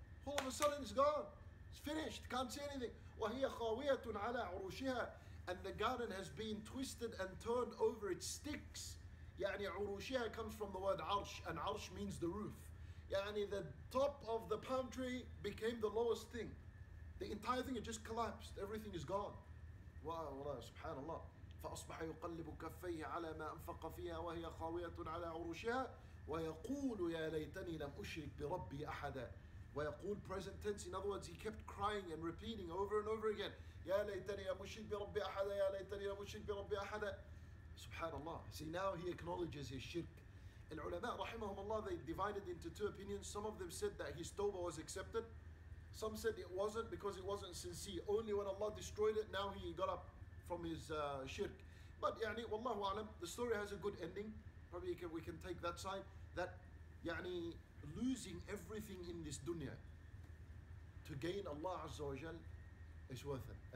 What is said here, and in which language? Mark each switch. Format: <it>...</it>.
<en>All of a sudden it's gone. It's finished. Can't see anything.</en> <ar>وَهِيَ خَاوِيَةٌ عَلَى عُرُوشِهَا.</ar> <en>And the garden has been twisted and turned over its sticks. يعني عُرُوشِهَا comes from the word عَرْش. And عَرْش means the roof. يعني the top of the palm tree became the lowest thing. The entire thing had just collapsed. Everything is gone.</en> <ar>والله سبحان الله فأصبح يقلب كفيه على ما أنفق فيها وهي خاوية على عروشها ويقول يا ليتني لم أشرك بربي أحدا ويقول</ar> <en>present tense in other words he kept crying and repeating over and over again</en> <ar>يا ليتني لم أشرك بربي أحدا يا ليتني لم أشرك بربي أحدا سبحان الله.</ar> <en>See now he acknowledges his shirk.</en> <ar>العلماء رحمهم الله</ar> <en>they divided into two opinions. Some of them said that his tawbah was accepted. Some said it wasn't because it wasn't sincere. Only when Allah destroyed it, now he got up from his shirk. But يعني والله أعلم, the story has a good ending. Probably we can take that side, that يعني losing everything in this dunya to gain Allah Azza wa Jal is worth it.</en>